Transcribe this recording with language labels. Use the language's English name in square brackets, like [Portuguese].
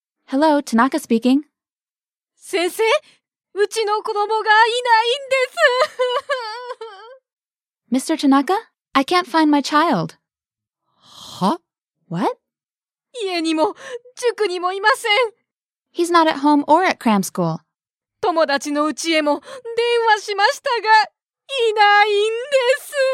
[English] Hello, Tanaka speaking. [Japanese] 先生、うちの子供がいないんです。 [English] Mr. Tanaka, I can't find my child. [Japanese] は？ [English] What? [Japanese] 家にも塾にもいません。 [English] He's not at home or at cram school. [Japanese] 友達の家へも電話しましたが、いないんです。